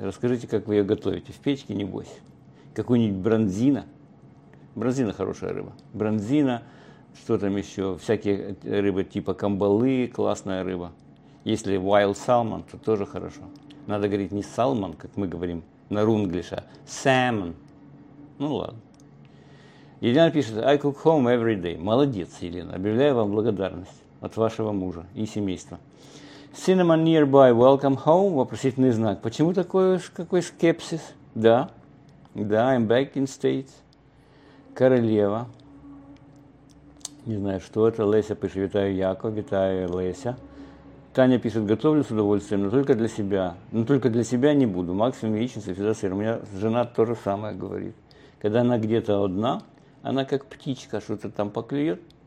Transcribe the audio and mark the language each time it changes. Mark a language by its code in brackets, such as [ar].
[ru] Расскажите, как вы ее готовите, в печке, небось? Какую-нибудь бронзина? Бронзина – хорошая рыба. Бронзина, что там еще, всякие рыбы типа камбалы – классная рыба. Если wild salmon, то тоже хорошо. Надо говорить не salmon, как мы говорим на рунглиша, salmon. Ну ладно. Елена пишет: [en] I cook home every day. [ru] Молодец, Елена. Объявляю вам благодарность от вашего мужа и семейства. [en] Cinnamon nearby, welcome home. [ru] Вопросительный знак. Почему такой, какой скепсис? Да, да, [en] I'm back in States. [ru] Королева, не знаю, что это, Леся пишет: витаю, Яко, витаю, Леся. Таня пишет: готовлю с удовольствием, но только для себя. Но только для себя не буду, максимум яичница, всегда сыр. У меня жена то же самое говорит. Когда она где-то одна, она как птичка что-то там поклюет.